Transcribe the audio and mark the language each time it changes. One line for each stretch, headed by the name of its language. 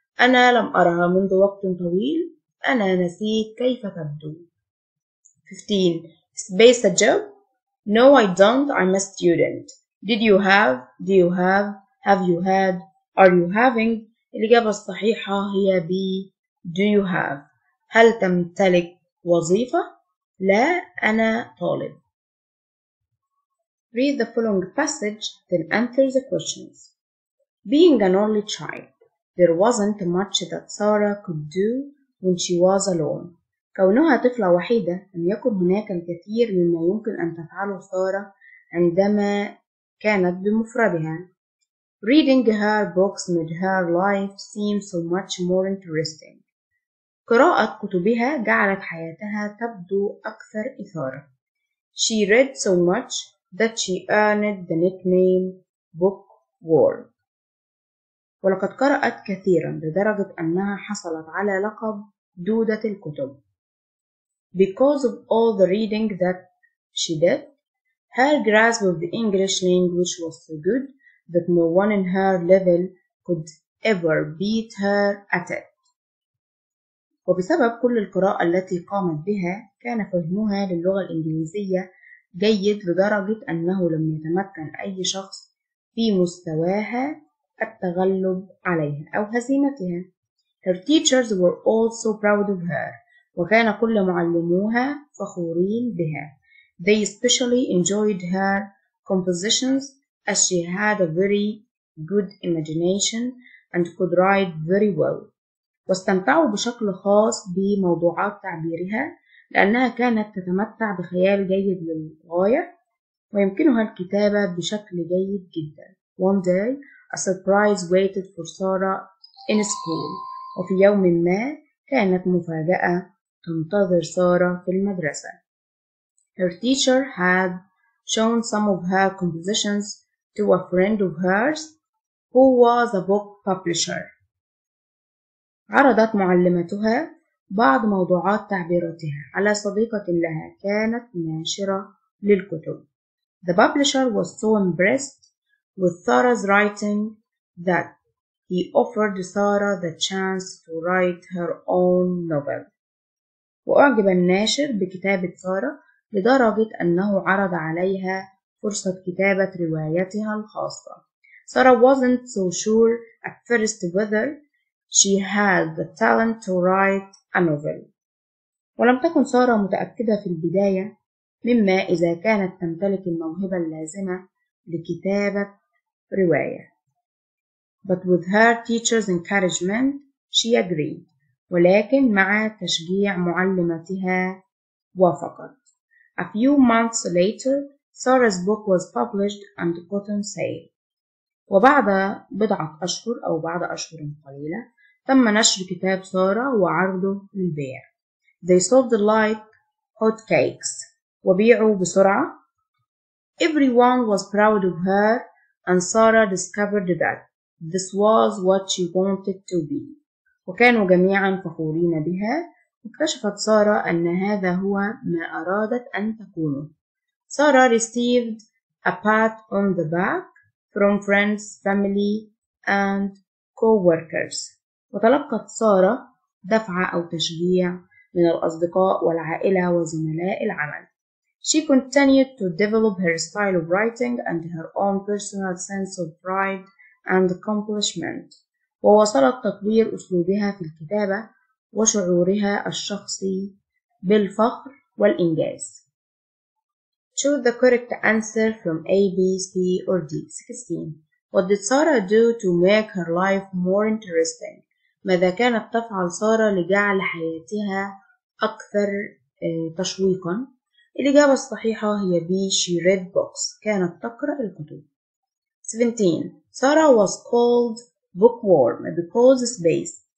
Arabic: أنا لم أرها منذ وقت طويل. أنا نسيت كيف تبدو. 15.
English: Space a job? No, I don't. I'm a student. Did you have? Do you have? Have you had? Are you having?
Arabic: الإجابة الصحيحة هي B.
English: Do you have?
Arabic: هل تمتلك وظيفة؟ لا، أنا طالب.
English: Read the following passage, then answer the questions. Being an only child, there wasn't much that Sarah could do when she was alone.
Arabic: كونها طفلة وحيدة، لم يكن هناك الكثير مما يمكن أن تفعله سارة عندما كانت بمفردها.
English: Reading her books made her life seem so much more interesting.
Arabic: قراءة كتبها جعلت حياتها تبدو أكثر إثارة.
English: She read so much that she earned the nickname Bookworm.
Arabic: ولقد قرأت كثيرا لدرجة أنها حصلت على لقب دودة الكتب.
English: Because of all the reading that she did, her grasp of the English language was so good that no one in her level could ever beat her at it.
Arabic: وبسبب كل القراءة التي قامت بها، كان فهمها للغة الإنجليزية جيد لدرجة أنه لم يتمكن أي شخص في مستواها التغلب عليها أو هزيمتها.
English: Her teachers were also proud of her.
Arabic: وكان كل معلموها فخورين بها.
English: They especially enjoyed her compositions as she had a very good imagination and could write very well.
Arabic: واستمتعوا بشكل خاص بموضوعات تعبيرها لأنها كانت تتمتع بخيال جيد للغاية ويمكنها الكتابة بشكل جيد جدا.
English: One day a surprise waited for Sarah in school.
Arabic: وفي يوم ما كانت مفاجأة تنتظر سارة في المدرسة.
English: Her teacher had shown some of her compositions to a friend of hers who was a book publisher.
Arabic: عرضت معلمتها بعض موضوعات تعبيراتها على صديقة لها كانت ناشرة للكتب.
English: The publisher was so impressed with Sarah's writing that he offered Sarah the chance to write her own novel.
Arabic: وأعجب الناشر بكتابة سارة لدرجة أنه عرض عليها فرصة كتابة روايتها الخاصة.
English: Sarah wasn't so sure at first whether she had the talent to write a novel.
Arabic: ولم تكن سارة متأكدة في البداية مما إذا كانت تمتلك الموهبة اللازمة لكتابة رواية.
English: But with her teacher's encouragement, she agreed.
Arabic: ولكن مع تشجيع معلمتها وافقت.
English: A few months later, Sarah's book was published and got on sale.
Arabic: وبعد بضعة أشهر أو بعد أشهر قليلة تم نشر كتاب سارة وعرضه للبيع.
English: They sold like hot cakes.
Arabic: وبيعوا بسرعة.
English: Everyone was proud of her and Sarah discovered that this was what she wanted to be.
Arabic: وكانوا جميعا فخورين بها. اكتشفت سارة أن هذا هو ما أرادت أن تكونه.
English: Sara received a pat on the back from friends, family, and co-workers.
Arabic: وتلقت سارة دفعة أو تشجيع من الأصدقاء والعائلة وزملاء العمل.
English: She continued to develop her style of writing and her own personal sense of pride and accomplishment.
Arabic: وواصلت تطوير أسلوبها في الكتابة وشعورها الشخصي بالفخر والإنجاز.
English: Choose the correct answer from A, B, C, or D. 16. What did Sarah do to make her life more interesting?
Arabic: ماذا كانت تفعل سارة لجعل حياتها أكثر تشويقا؟ الإجابة الصحيحة هي B.
English: She read books.
Arabic: كانت تقرأ الكتب.
English: 17. Sarah was called bookworm because space.